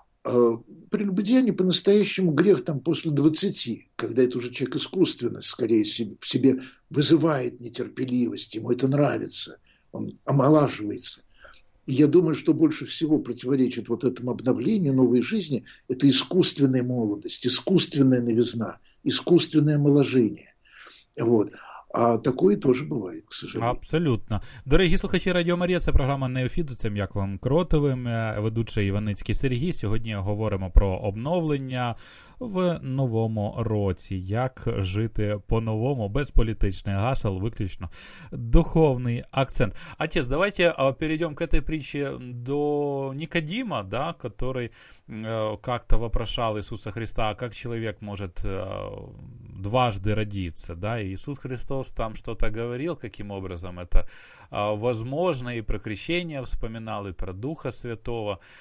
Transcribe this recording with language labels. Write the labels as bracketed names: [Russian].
[Russian] А прелюбодеяние по-настоящему грех там после 20, когда это уже человек искусственно, скорее, в себе вызывает нетерпеливость, ему это нравится, он омолаживается. И я думаю, что больше всего противоречит вот этому обновлению новой жизни – это искусственная молодость, искусственная новизна, искусственное омоложение. Вот. А такое тоже бывает, к сожалению. Абсолютно. [Ukrainian] Дорогі слухачі Радіо Марія, це програма «Неофіт», це Яковим Кротовим, ведучий Іваницький Сергій. Сьогодні говоримо про обновлення в новому році. Як жити по-новому, без політичних гасел, виключно духовний акцент. Отець, давайте перейдемо [Russian] к этой притчі до Нікодима, да, который как-то вопрошал Ісуса Христа, как человек может дважды родиться, да, и Иисус Христос там что-то говорил, каким образом это возможно, и про крещение вспоминал, и про Духа Святого.